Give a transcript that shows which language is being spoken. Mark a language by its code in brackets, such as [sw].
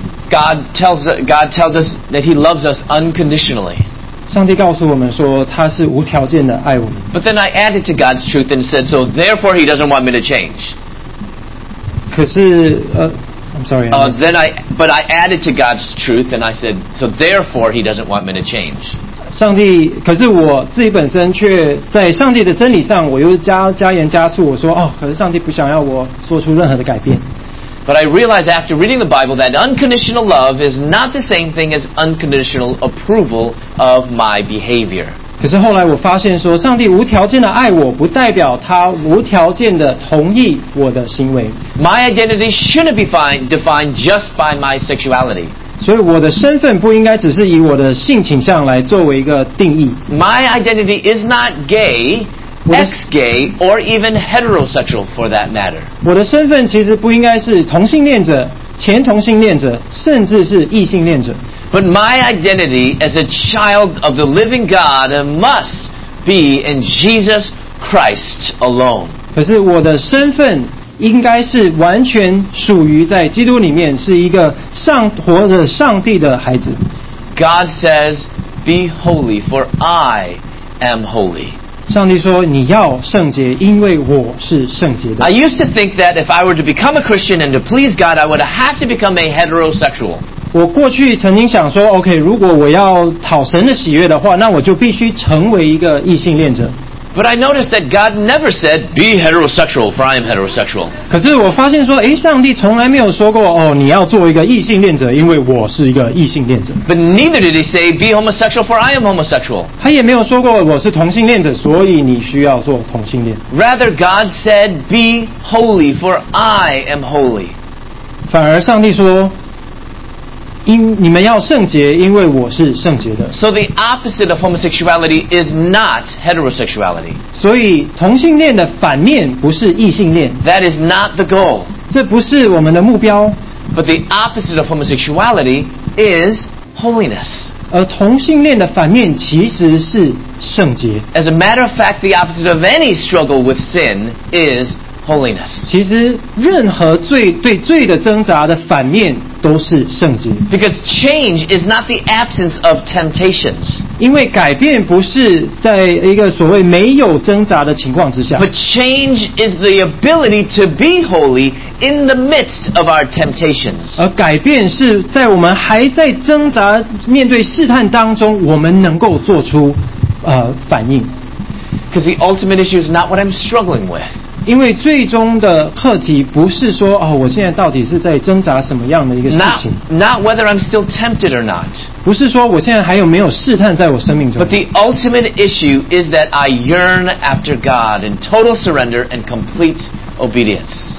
[en] God tells us that he loves us unconditionally. [zh] 上帝告诉我们说他是无条件的爱我们。 [en] But then I added to God's truth and said, so therefore he doesn't want me to change. [zh] 可是 [en] I'm sorry. But I added to God's truth and I said, so therefore he doesn't want me to change. [zh] 上帝，可是我自己本身却在上帝的真理上，我又加盐加醋，我说哦，可是上帝不想要我做出任何的改变。 [en] But I realized after reading the Bible that unconditional love is not the same thing as unconditional approval of my behavior. [zh] 可是后来我发现说，上帝无条件的爱我，不代表他无条件的同意我的行为。 [en] My identity shouldn't be defined just by my sexuality. [zh] 所以我的身份不应该只是以我的性倾向来作为一个定义。 [en] My identity is not gay. Ex-gay or even heterosexual for that matter. [zh] 我的身份其实不应该是同性恋者、前同性恋者，甚至是异性恋者。 [en] But my identity as a child of the living God must be in Jesus Christ alone. [zh] 可是我的身份应该是完全属于在基督里面，是一个活着上帝的孩子。 [en] God says, "Be holy, for I am holy." [zh] 上帝说你要圣洁，因为我是圣洁的。 [en] I used to think that if I were to become a Christian and to please God, I would have to become a heterosexual. [zh] 我过去曾经想说 OK, 如果我要讨神的喜悦的话，那我就必须成为一个异性恋者。 [en] But I noticed that God never said, be heterosexual, for I am heterosexual. [zh] 可是我发现说，诶，上帝从来没有说过，哦，你要做一个异性恋者，因为我是一个异性恋者。 [en] But neither did he say, be homosexual, for I am homosexual. [zh] 他也没有说过我是同性恋者，所以你需要做同性恋。 [en] Rather, God said, be holy, for I am holy. [zh] 反而上帝说你们要圣洁，因为我是圣洁的。 [en] So the opposite of homosexuality is not heterosexuality. [zh] 所以同性恋的反面不是异性恋。 [en] That is not the goal. [zh] 这不是我们的目标。 [en] But the opposite of homosexuality is holiness. [zh] 而同性恋的反面其实是圣洁。 [en] As a matter of fact, the opposite of any struggle with sin is holiness. [zh] 其实任何罪对罪的挣扎的反面都是圣洁。 [en] Because change is not the absence of temptations. [zh] 因为改变不是在一个所谓没有挣扎的情况之下。 [en] But change is the ability to be holy in the midst of our temptations. [zh] 而改变是在我们还在挣扎面对试探当中，我们能够做出反应。 [en] Because the ultimate issue is not what I'm struggling with. [zh] 因为最终的课题不是说、哦、我现在到底是在挣扎什么样的一个事情。 [en] Not whether I'm still tempted or not. [zh] 不是说我现在还有没有试探在我生命中。 [en] But the ultimate issue is that I yearn after God in total surrender and complete obedience.